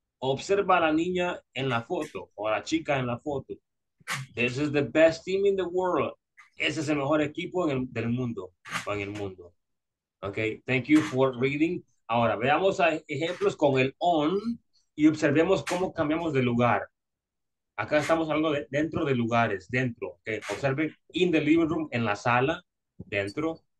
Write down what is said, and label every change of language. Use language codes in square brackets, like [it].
[es] Observa a la niña en la foto o a la chica en la foto. [en] This is the best team in the world. [es] Ese es el mejor equipo del mundo o en el mundo. [en] Okay, thank you for reading. [es] Ahora veamos ejemplos con el on y observemos cómo cambiamos de lugar. Acá estamos hablando de dentro de lugares, dentro. Okay, observen [en] in the living room, [es] en la sala, dentro.